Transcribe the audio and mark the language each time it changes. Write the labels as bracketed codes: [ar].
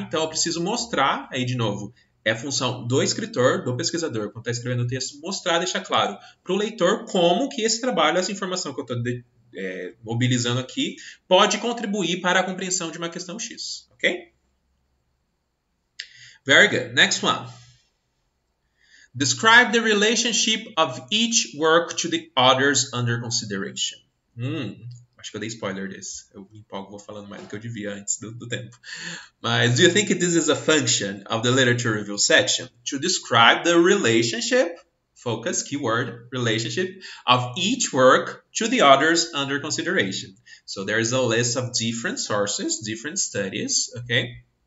[pt] Então, eu preciso mostrar, aí de novo, é a função do escritor, do pesquisador, quando está escrevendo o texto, mostrar, deixar claro para o leitor como que esse trabalho, essa informação que eu estou mobilizando aqui, pode contribuir para a compreensão de uma questão X, ok? [en] Very good, next one. Describe the relationship of each work to the others under consideration. [pt] Acho que eu dei spoiler desse. Eu me empolgo, vou falando mais do que eu devia antes do tempo. [en] Mas, do you think this is a function of the literature review section? To describe the relationship, focus, keyword, relationship, of each work to the others under consideration. So, there is a list of different sources, different studies, okay?